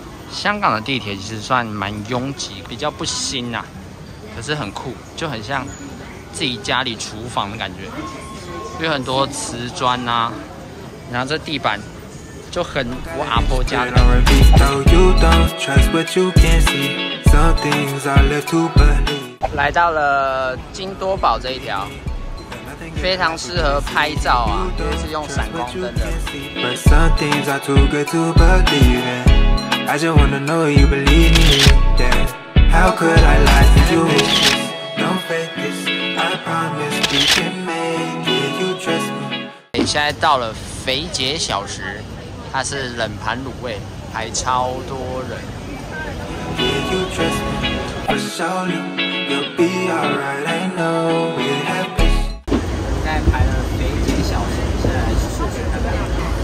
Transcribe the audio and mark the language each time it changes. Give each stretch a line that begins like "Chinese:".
Chinese: 香港的地铁其实算蛮拥挤，比较不新啊，可是很酷，就很像自己家里厨房的感觉，有很多瓷砖啊，然后这地板就很我阿婆家的。来到了金多宝这一条，非常适合拍照啊，也是用闪光灯的。
English: But some things are too good toI just wanna know you believe me, yeah. How could I lie to you? Don't fake this, I promise we can make it, you trust me.
Chinese: 现在到了肥姐小食，它是冷盘卤味，排超多人。
English: Yeah, you trust me, for sure you'll be alright, I know we're happy.
Chinese: 现在排了肥姐小食，现在是数学看看。